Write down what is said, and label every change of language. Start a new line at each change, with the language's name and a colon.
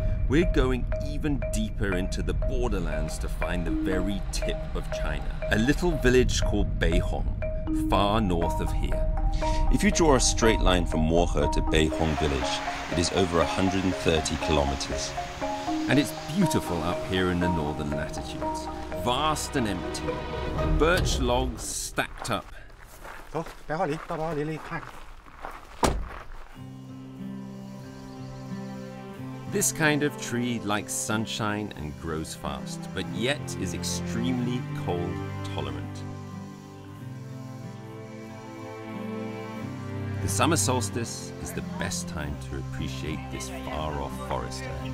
English: We're going even deeper into the borderlands to find the very tip of China, a little village called Beihong, far north of here. If you draw a straight line from Mohe to Beihong village, it is over 130 kilometers. And it's beautiful up here in the northern latitudes, vast and empty. Birch logs stacked up.
Chinese: 走，白桦林，到白桦林里看看。
English: This kind of tree likes sunshine and grows fast, but yet is extremely cold tolerant. The summer solstice is the best time to appreciate this far-off forester.